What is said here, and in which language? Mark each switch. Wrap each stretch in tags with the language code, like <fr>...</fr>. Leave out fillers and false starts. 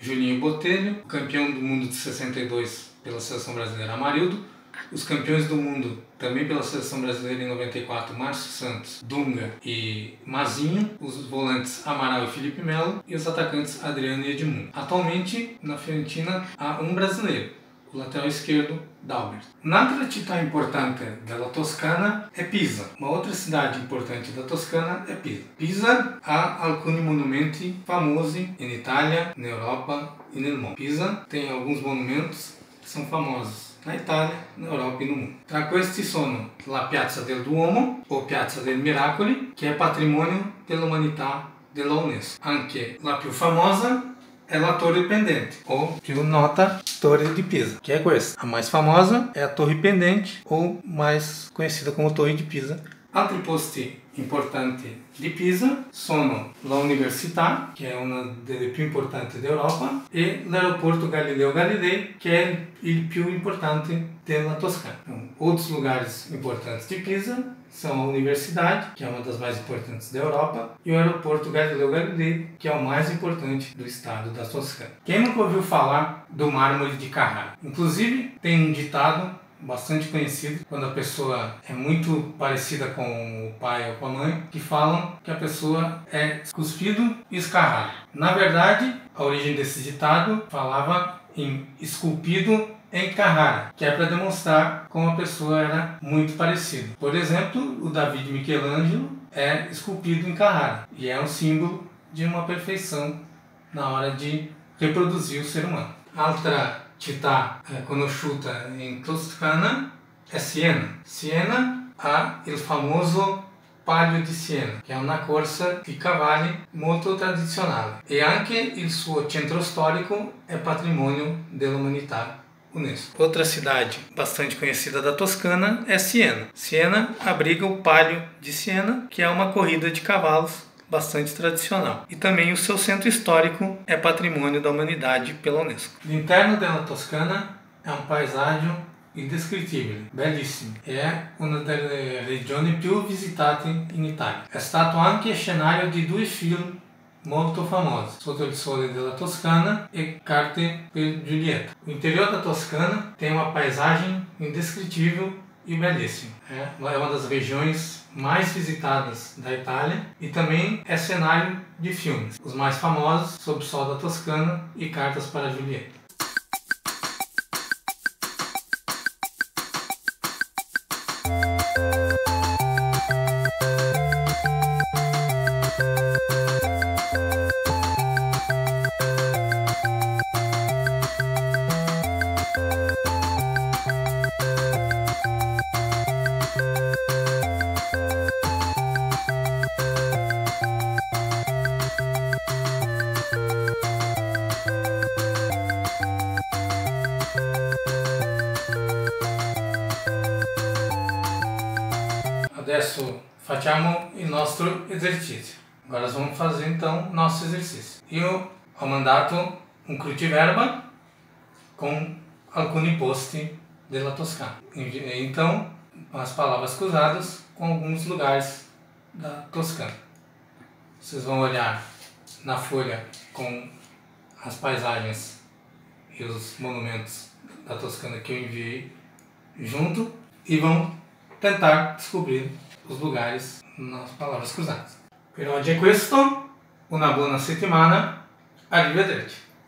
<pt>Juninho Botelho, campeão do mundo de 62 pela seleção brasileira, Amarildo. Os campeões do mundo também pela seleção brasileira em 94, Márcio Santos, Dunga e Mazinho. Os volantes Amaral e Felipe Melo. E os atacantes Adriano e Edmundo. Atualmente, na Fiorentina, há um brasileiro, o lateral esquerdo, Dauber.</pt> <it>Un'altra città importante della Toscana è Pisa. Un'altra città importante della Toscana è Pisa. Pisa ha alcuni monumenti famosi in Italia, in Europa e nel mondo.</it> <pt>Pisa tem alguns monumentos</pt> <it>che sono famosi</it> <pt>na Italia,</pt> <it>in Europa e nel mondo. Tra questi sono la Piazza del Duomo o Piazza del Miracoli, che è patrimonio dell'umanità della UNESCO. Anche la più famosa</it> <pt>é La Torre Pendente, ou</pt> <it>più nota</it> <pt>Torre di Pisa. Que é coisa? A mais famosa é a Torre Pendente, ou mais conhecida como Torre de Pisa.</pt> <it>Altri posti importanti di Pisa sono l'Università, che è una delle più importanti d'Europa, e l'aeroporto Galileo Galilei, che è il più importante della Toscana.</it> <pt>Outros lugares importantes di Pisa são a Universidade, que é uma das mais importantes da Europa, e o aeroporto Galileo Galilei, que é o mais importante do estado da Toscana. Quem nunca ouviu falar do mármore de Carrara? Inclusive, tem um ditado bastante conhecido, quando a pessoa é muito parecida com o pai ou com a mãe, que falam que a pessoa é cuspido e escarrado. Na verdade, a origem desse ditado falava em esculpido em Carrara, que é para demonstrar como a pessoa era muito parecida. Por exemplo, o David Michelangelo é esculpido em Carrara e é um símbolo de uma perfeição na hora de reproduzir o ser humano.</pt> <it>Outra città conosciuta in Toscana è Siena. Siena ha il famoso Palio di Siena, che è una corsa di cavalli molto tradizionale. E anche il suo centro storico è patrimonio dell'umanità. UNESCO.</it> <pt>Outra cidade bastante conhecida da Toscana é Siena. Siena abriga o Palio de Siena, que é uma corrida de cavalos bastante tradicional. E também o seu centro histórico é patrimônio da humanidade pela UNESCO.</pt> <it>L'interno della Toscana è un paesaggio indescrivibile, bellissimo. È una delle regioni più visitate in Italia. È stato anche scenario di due film molto famosa, Sotto il Sole della Toscana e Carte per Giulietta.</it> <pt>O interior da Toscana tem uma paisagem indescritível e belíssima. É uma das regiões mais visitadas da Itália e também é cenário de filmes. Os mais famosos, Sob o Sol da Toscana e Cartas para Giulietta.</pt> <it>Adesso facciamo il nostro esercizio.</it> <pt>Agora vamos fazer então o nosso exercício.</pt> <it>Io ho mandato un cruciverba con alcuni posti della Toscana.</it> <pt>Então, as palavras cruzadas com alguns lugares da Toscana. Vocês vão olhar na folha com as paisagens e os monumentos da Toscana que eu enviei junto e vão tentar descobrir os lugares nas palavras cruzadas.</pt> <it>Per oggi è questo, una buona settimana, arrivederci.</it>